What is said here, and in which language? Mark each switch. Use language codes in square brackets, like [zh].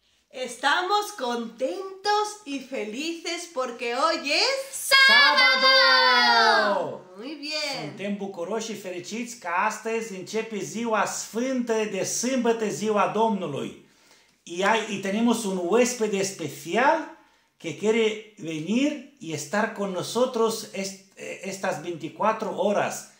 [es] Estamos contentos y felices porque hoy es sábado. Muy bien. [ro] Suntem bucuroși și fericiți că astăzi începe ziua sfântă de sâmbătă, ziua Domnului. [es] Y tenemos un huésped especial que quiere venir y estar con nosotros estas 24 horas.